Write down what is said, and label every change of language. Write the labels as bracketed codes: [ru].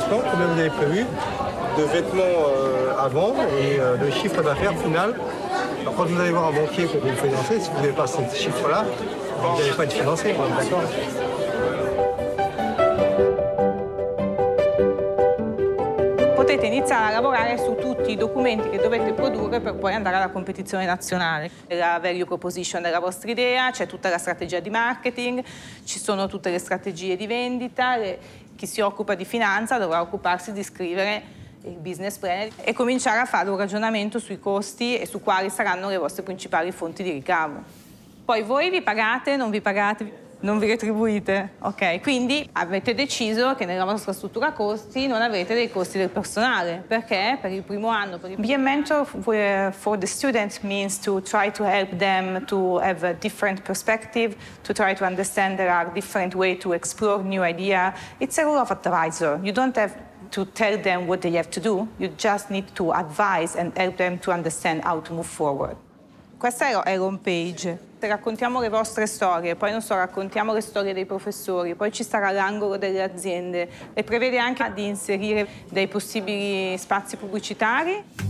[fr] Combien vous avez prévu de vêtements avant et le chiffre d'affaires final? Alors, quand vous allez voir un banquier pour vous financer, si vous n'avez pas ce chiffre-là, vous n'allez pas être financé, quoi, d'accord? [it] Potete iniziare a lavorare su tutti i documenti che dovete produrre per poi andare alla competizione nazionale. La value proposition della vostra idea, c'è tutta la strategia di marketing, ci sono tutte le strategie di vendita. Chi si occupa di finanza dovrà occuparsi di scrivere il business plan e cominciare a fare un ragionamento sui costi e su quali saranno le vostre principali fonti di ricavo. Poi voi vi pagate, non vi pagate, non vi retribuite, ok? Quindi avete deciso che nella vostra struttura costi non avrete dei costi del personale. Perché? Per il primo anno. [en] Being a mentor for the student means to try to help them to have a different perspective, to try to understand there are different ways to explore new idea. It's a role of advisor. You don't have to tell them what they have to do. You just need to advise and help them to understand how to move forward. [it] Questa è home page. Raccontiamo le vostre storie, poi non so, raccontiamo le storie dei professori, poi ci sarà l'angolo delle aziende e prevede anche di inserire dei possibili spazi pubblicitari.